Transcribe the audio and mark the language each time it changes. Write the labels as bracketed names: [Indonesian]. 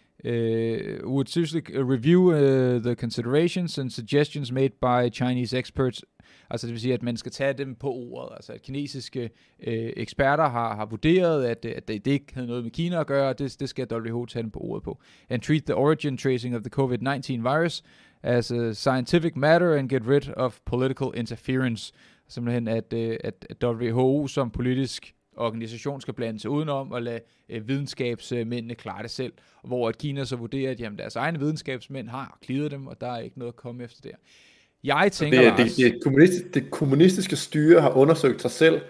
[English] would seriously review the considerations and suggestions made by Chinese experts. [Danish] Altså det vil sige, at man skal tage dem på ordet. Altså at kinesiske eksperter har vurderet, at det ikke havde noget med Kina at gøre, og det skal WHO tage dem på ordet på. [English] And treat the origin tracing of the COVID-19 virus as a scientific matter and get rid of political interference. [Danish] Simpelthen at WHO som politisk organisation skal blande sig udenom og lade videnskabsmændene klare det selv. Hvor at Kina så vurderer, at jamen, deres egne videnskabsmænd har klidet dem, og der er ikke noget at komme efter der. Jeg tænker, det kommunistiske styre har undersøgt sig selv,